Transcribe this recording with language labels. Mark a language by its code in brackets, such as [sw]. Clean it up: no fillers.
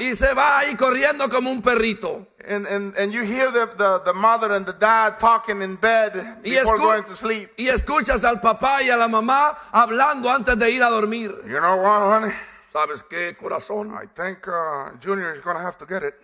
[es] Y se va ahí corriendo como un perrito. [en] And you hear the mother and the dad talking in bed before going to sleep. [es] Y escuchas al papá y a la mamá hablando antes de ir a dormir. [en] You know what, honey? [es] ¿Sabes qué, corazón? [en] I think Junior is going to have to get it.